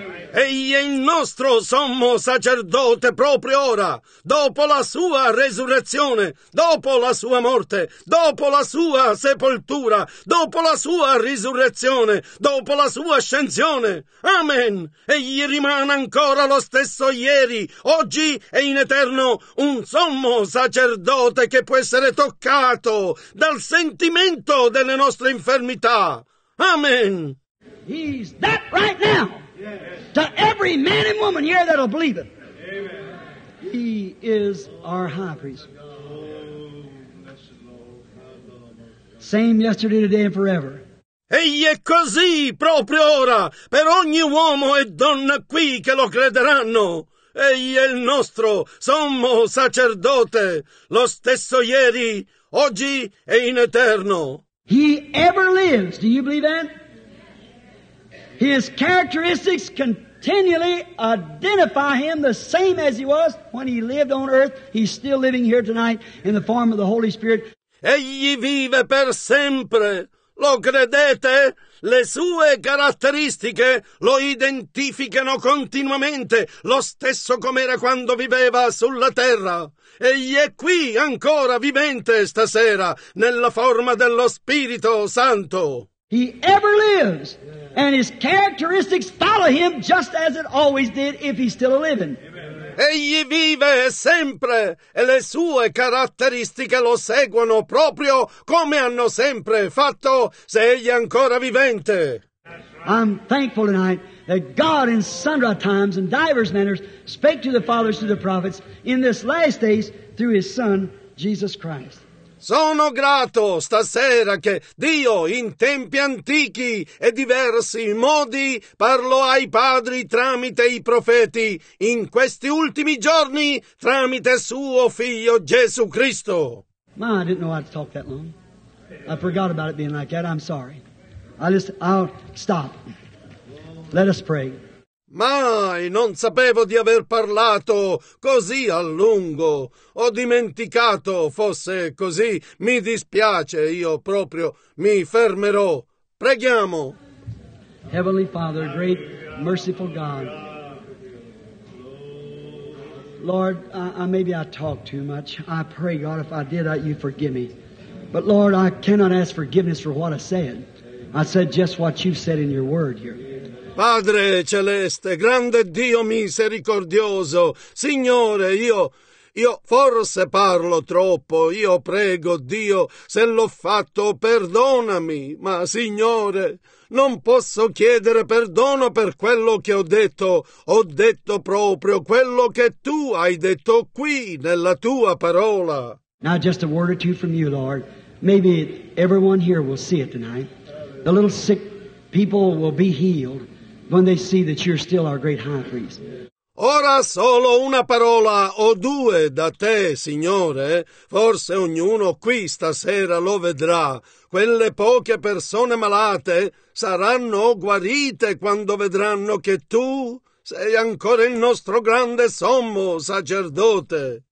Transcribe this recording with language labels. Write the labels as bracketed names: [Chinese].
[Italian] Egli è il nostro sommo sacerdote proprio ora, dopo la sua resurrezione, dopo la sua morte, dopo la sua sepoltura, dopo la sua risurrezione, dopo la sua ascensione. Amen. Egli rimane ancora lo stesso ieri, oggi e in eterno, un sommo sacerdote che può essere toccato dal sentimento delle nostre infermità. Amen. [English] He's that right now. To every man and woman here that'll believe it. Amen. He is our high priest. Same yesterday, today, and forever. [Italian] Egli è così proprio ora per ogni uomo e donna qui che lo crederanno. Egli è il nostro sommo sacerdote, lo stesso ieri, oggi e in eterno. [English] He ever lives. Do you believe that? His characteristics continually identify him the same as he was when he lived on earth. He's still living here tonight in the form of the Holy Spirit. [Italian] Egli vive per sempre. Lo credete? Le sue caratteristiche lo identificano continuamente, lo stesso com'era quando viveva sulla terra. Egli è qui ancora vivente stasera nella forma dello Spirito Santo. [English] He ever lives. And his characteristics follow him just as it always did if he's still living. [Italian] Egli vive sempre e le sue caratteristiche lo seguono proprio come hanno sempre fatto se egli è ancora vivente. [English] I'm thankful tonight that God in sundry times and divers manners spake to the fathers through the prophets in this last days through his Son, Jesus Christ. [Italian] Sono grato stasera che Dio in tempi antichi e diversi modi parlò ai padri tramite i profeti in questi ultimi giorni tramite suo figlio Gesù Cristo. [English] Ma, I didn't know how to talk that long. I forgot about it being like that. I'm sorry. I'll stop. Let us pray. [Italian] Mai non sapevo di aver parlato così a lungo. Ho dimenticato fosse così. Mi dispiace, io proprio mi fermerò. Preghiamo. [English] Heavenly Father, great merciful God. Lord, maybe I talk too much. I pray, God, if I did, you forgive me. But Lord, I cannot ask forgiveness for what I said. I said just what you've said in your word here. [Italian] Padre celeste, grande Dio misericordioso, Signore, io forse parlo troppo, io prego Dio, se l'ho fatto perdonami, ma Signore, non posso chiedere perdono per quello che ho detto proprio quello che Tu hai detto qui nella Tua parola. [English] Now just a word or two from you, Lord, maybe everyone here will see it tonight, the little sick people will be healed. When they see that you're still our great high priest. [Italian] Ora solo una parola o due da te, Signore. Forse ognuno qui stasera lo vedrà. Quelle poche persone malate saranno guarite quando vedranno che tu sei ancora il nostro grande sommo sacerdote.